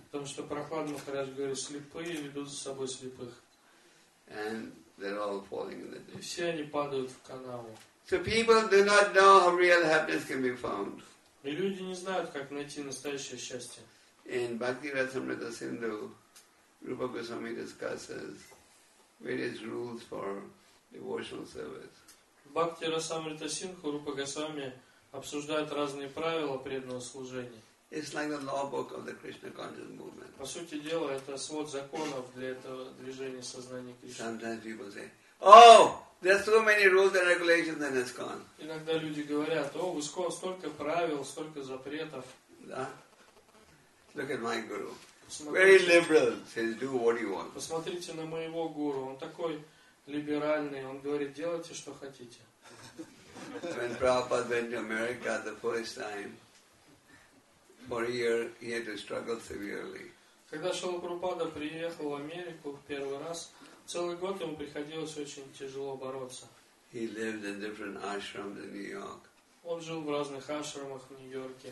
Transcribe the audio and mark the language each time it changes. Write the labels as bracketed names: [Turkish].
[Russian] Потому что Прохлада Махарадж говорит, слепые ведут за собой слепых. [English] And they're all falling in the ditch. [Russian] И все они падают в канаву. [English] So people do not know how real happiness can be found. [Russian] И люди не знают, как найти настоящее счастье. [English] In Bhakti Rasamrita Sindhu, Rupa Goswami discusses various rules for devotional service. [Russian] Bhakti Rasamrita Sindhu, Rupa Goswami обсуждает разные правила преданного служения. [English] It's like the law book of the Krishna conscious movement. [Russian] По сути дела, это свод законов для этого движения сознания Кришны. [English] Sometimes people say, "Oh, there's too many rules and regulations in ISKCON." [Russian] Иногда люди говорят, "О, в ISKCON столько правил, столько запретов." Да. [English] Look at my guru. Very liberal. Says, do what you want. [Russian] Посмотрите на моего гуру. Он такой либеральный. Он говорит, делайте, что хотите. [English] When Prabhupada went to America the first time, for a year he had to struggle severely. [Russian] Когда Шрила Прабхупада приехал в Америку в первый раз, целый год ему приходилось очень тяжело бороться. [English] He lived in different ashrams in New York. [Russian] Он жил в разных ашрамах в Нью-Йорке.